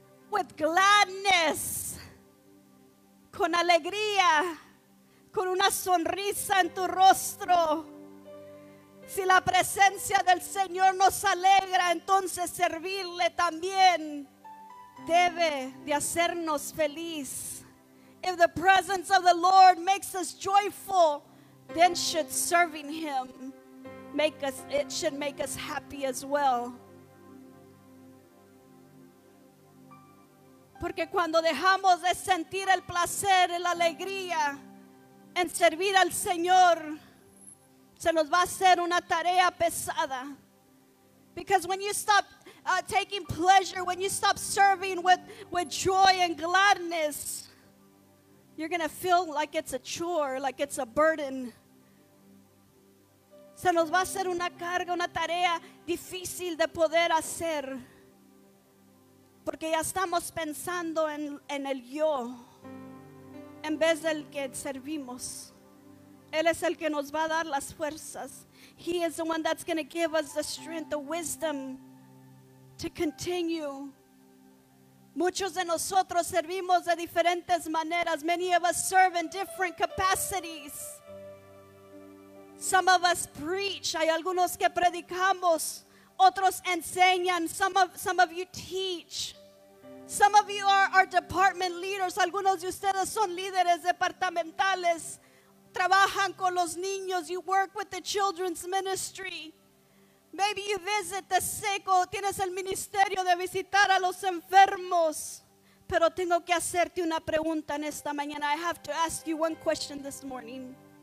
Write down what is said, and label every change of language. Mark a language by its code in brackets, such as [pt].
[en] With gladness. [es] Con alegría. Con una sonrisa en tu rostro. Si la presencia del Señor nos alegra, entonces servirle también debe de hacernos feliz. [en] If the presence of the Lord makes us joyful, then should serving him make us, it should make us happy as well. [es] Porque cuando dejamos de sentir el placer, la alegría en servir al Señor, se nos va a hacer una tarea pesada. [en] Because when you stop taking pleasure, when you stop serving with joy and gladness, you're going to feel like it's a chore, like it's a burden. [es] Se nos va a hacer una carga, una tarea difícil de poder hacer. Porque ya estamos pensando en el yo, en vez del que servimos. Él es el que nos va a dar las fuerzas. [en] He is the one that's going to give us the strength, the wisdom to continue. [es] Muchos de nosotros servimos de diferentes maneras. [en] Many of us serve in different capacities. Some of us preach. [es] Hay algunos que predicamos. Otros enseñan. [en] Some of you teach. Some of you are department leaders. [es] Algunos de ustedes son líderes departamentales. Trabajan con los niños. [en] You work with the children's ministry. Maybe you visit the sick. [es] O tienes el ministerio de visitar a los enfermos. Pero tengo que hacerte una pregunta en esta mañana. [en] I have to ask you one question this morning.